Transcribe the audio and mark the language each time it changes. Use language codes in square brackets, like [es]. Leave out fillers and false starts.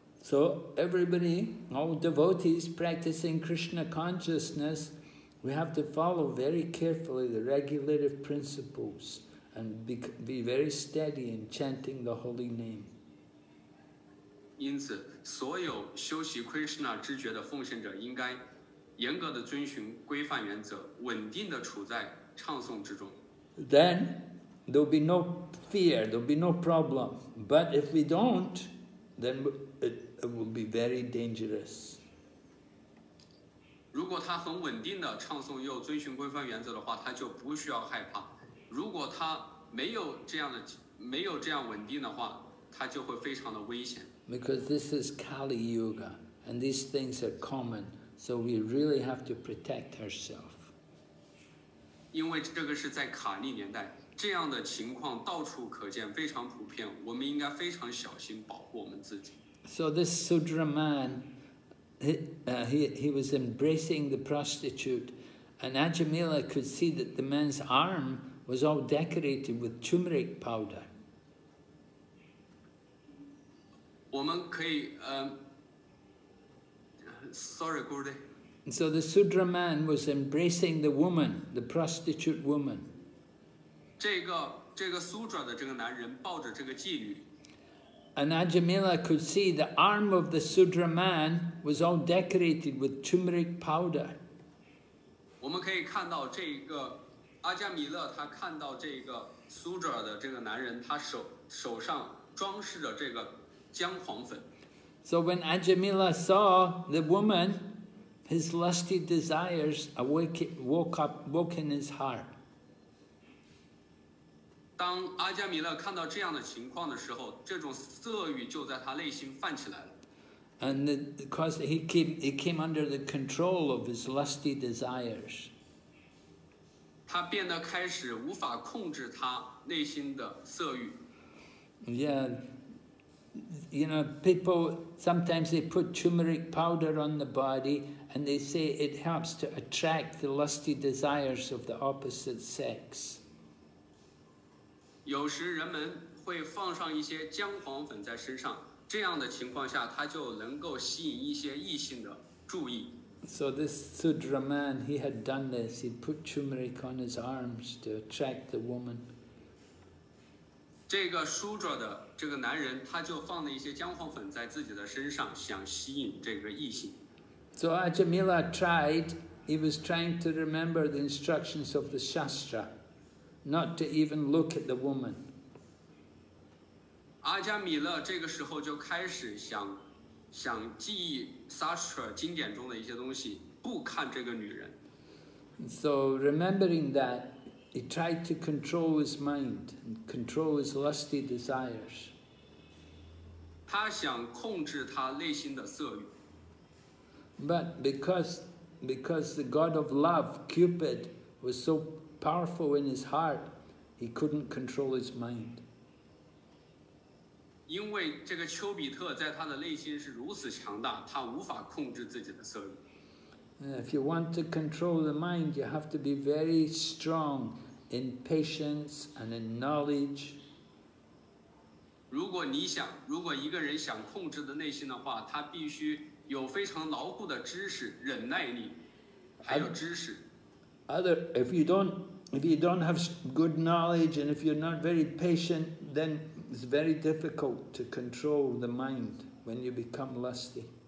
[en] So everybody, all devotees practicing Krishna consciousness, we have to follow very carefully the regulative principles and be very steady in chanting the holy name. [zh] 因此，所有修习 Krishna 知觉的奉献者应该严格的遵循规范原则，稳定的处在唱诵之中。 [en] Then there will be no fear, there will be no problem. But if we don't, then it will be very dangerous. [zh] 如果他很稳定的唱诵又遵循规范原则的话，他就不需要害怕。如果他没有这样稳定的话，他就会非常的危险。 [en] Because this is Kali Yuga, and these things are common, so we really have to protect ourselves. [zh] 因为这个是在卡利年代，这样的情况到处可见，非常普遍。我们应该非常小心保护我们自己。 [en] So this Sudra man, he was embracing the prostitute, and Ajamila could see that the man's arm was all decorated with turmeric powder. [zh] 我们可以 [en] sorry, [zh] Gurudev. [en] So the Sudra man was embracing the woman, the prostitute woman. [zh] 这个 Sudra 的这个男人抱着这个妓女。 [en] And Ajamila could see the arm of the Sudra man was all decorated with turmeric powder. [zh] 我们可以看到这个阿加米勒他看到这个苏哲的这个男人，他 手上装饰着这个姜黄粉。 [en] So when Ajamila saw the woman, his lusty desires woke in his heart. [zh] 当阿加米勒看到这样的情况的时候，这种色欲就在他内心泛起来了。 [en] And because he came under the control of his lusty desires. [zh] 他变得开始无法控制他内心的色欲。 [en] Yeah. You know, people, sometimes they put turmeric powder on the body and they say it helps to attract the lusty desires of the opposite sex. [zh] 有时人们会放上一些姜黄粉在身上，这样的情况下它就能够吸引一些异性的注意。 [en] So this Sudra man, he had done this. He put turmeric on his arms to attract the woman. [zh] 这个梳着的这个男人，他就放了一些姜黄粉在自己的身上，想吸引这个异性。 [en] So Ajamila tried, he was trying to remember the instructions of the Shastra, not to even look at the woman. [zh] 阿加米勒这个时候就开始想记忆 Shastra 经典中的一些东西，不看这个女人。 [en] So remembering that,He tried to control his mind and control his lusty desires. [zh] 他想控制他内心的色欲。 [en] But because the god of love, Cupid, was so powerful in his heart, he couldn't control his mind. [zh] 因为这个丘比特在他的内心是如此强大，他无法控制自己的色欲。 [en] If you want to control the mind, you have to be very strong. In patience and in knowledge. [zh] 如果一个人想控制的内心的话，他必须有非常牢固的知识、忍耐力，还有知识。 [en] If you don't have good knowledge and if you're not very patient, then it's very difficult to control the mind when you become lusty.